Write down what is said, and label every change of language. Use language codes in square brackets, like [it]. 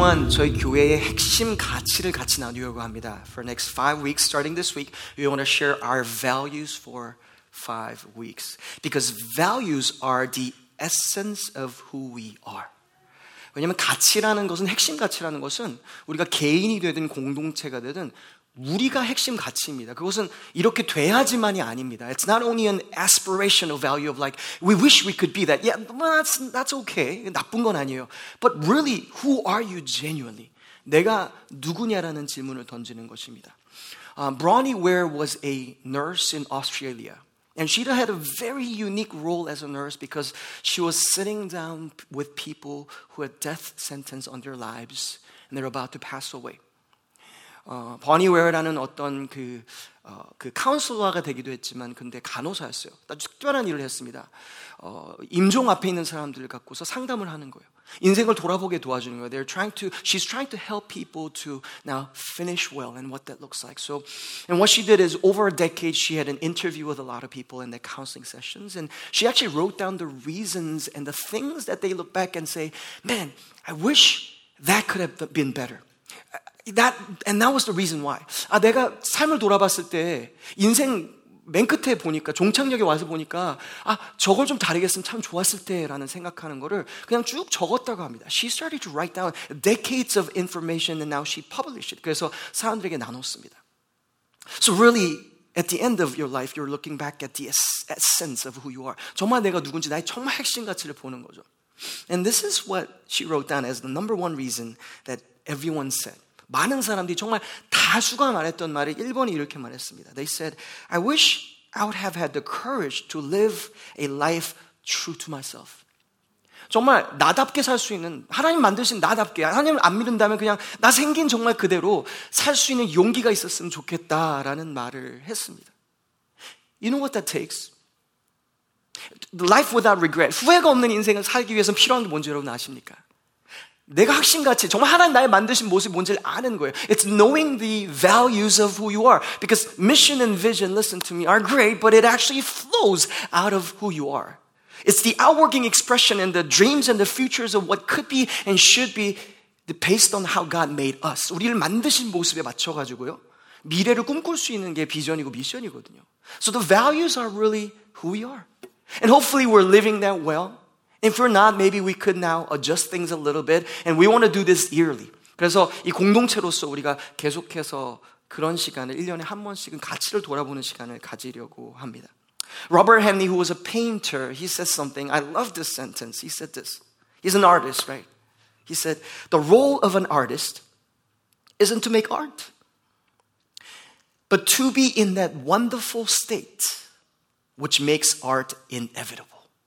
[ko] 저희 교회의 핵심 가치를 같이 나누려고 합니다. [en] For next 5 weeks, starting this week, we want to share our values for 5 weeks. Because values are the essence of who we are. [ko] 왜냐하면 가치라는 것은, 핵심 가치라는 것은 우리가 개인이 되든 공동체가 되든 우리가 핵심 가치입니다. 그것은 이렇게 돼야지만이 아닙니다. [en] It's not only an aspirational value of like, we wish we could be that. Yeah, well, that's okay. [ko] 나쁜 건 아니에요. [en] But really, who are you genuinely? [ko] 내가 누구냐라는 질문을 던지는 것입니다. [en] Bronnie Ware was a nurse in Australia. And she had a very unique role as a nurse because she was sitting down with people who had death sentence on their lives and they're about to pass away. [ko] 버니 웨어라는 어떤 그 카운슬러가 되기도 했지만 근데 간호사였어요. 아주 특별한 일을 했습니다. 임종 앞에 있는 사람들을 갖고서 상담을 하는 거예요. 인생을 돌아보게 도와주는 거예요. [en] She's trying to help people to now finish well and what that looks like. So, and what she did is over a decade, she had an interview with a lot of people in their counseling sessions, and she actually wrote down the reasons and the things that they look back and say, man, I wish that could have been better. That was the reason why. [ko] 아, 내가 삶을 돌아봤을 때 인생 맨 끝에 보니까 종착역에 와서 보니까 아, 저걸 좀 다르게 했으면 참 좋았을 때라는 생각하는 거를 그냥 쭉 적었다고 합니다. [en] She started to write down decades of information and now she published it. [ko] 그래서 사람들에게 나눴습니다. [en] So really at the end of your life you're looking back at the essence of who you are. [ko] 정말 내가 누군지 나의 정말 핵심 가치를 보는 거죠. [en] And this is what she wrote down as the number one reason that everyone said. [ko] 많은 사람들이 정말 다수가 말했던 말이 1번이 이렇게 말했습니다. [en] They said, I wish I would have had the courage to live a life true to myself. [ko] 정말 나답게 살 수 있는, 하나님 만드신 나답게, 하나님을 안 믿는다면 그냥 나 생긴 정말 그대로 살 수 있는 용기가 있었으면 좋겠다라는 말을 했습니다. [en] You know what that takes? Life without regret. [ko] 후회가 없는 인생을 살기 위해서 필요한 게 뭔지 여러분 아십니까? 내가 핵심같이 정말 하나님 나의 만드신 모습이 뭔지를 아는 거예요. [en] It's knowing the values of who you are. Because mission and vision, listen to me, are great, but it actually flows out of who you are. It's the outworking expression and the dreams and the futures of what could be and should be based on how God made us. [ko] 우리를 만드신 모습에 맞춰가지고요. 미래를 꿈꿀 수 있는 게 비전이고 미션이거든요. [en] So the values are really who we are. And hopefully we're living that well. If we're not, maybe we could now adjust things a little bit. And we want to do this yearly. [ko] 그래서 이 공동체로서 우리가 계속해서 그런 시간을 1년에 한 번씩은 가치를 돌아보는 시간을 가지려고 합니다. [en] Robert Henley, who was a painter, he said something. I love this sentence. He said this. He's an artist, right? He said, the role of an artist isn't to make art, but to be in that wonderful state which makes art inevitable.